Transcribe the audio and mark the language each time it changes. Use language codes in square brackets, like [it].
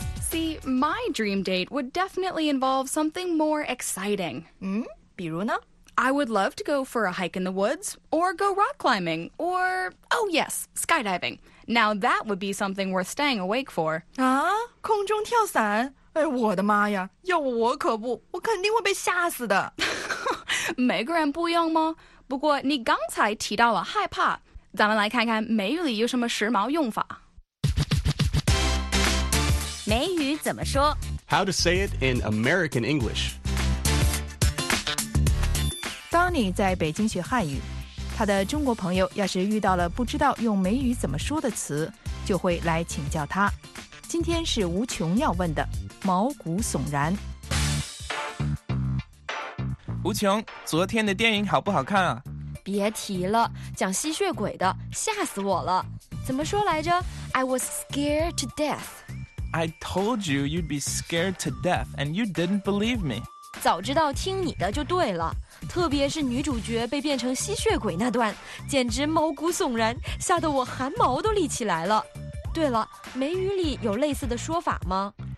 [en] See, my dream date would definitely involve something more exciting. [zh] 比如呢？ [en] I would love to go for a hike in the woods, or go rock climbing, or, oh yes, skydiving. Now that would be something worth staying awake for. [zh] 啊，空中跳伞？哎，我的妈呀，要我可不，我肯定会被吓死的。每个人不一样吗？不过你刚才提到了害怕，咱们来看看美语里有什么时髦用法。美语怎么说？ [en] How to say it in American English. [zh] Donny 在北京学汉语，他的中国朋友要是遇到了不知道用美语怎么说的词，就会来请教他。今天是无穷要问的，毛骨悚然。无穷，昨天的电影好不好看啊？别提了，讲吸血鬼的，吓死我了。怎么说来着？ [en] I was scared to death. I told you you'd be scared to death, and you didn't believe me. [zh] 早知道听你的就对了。特别是女主角被变成吸血鬼那段，简直毛骨悚然，吓得我汗毛都立起来了。对了，美语里有类似的说法吗？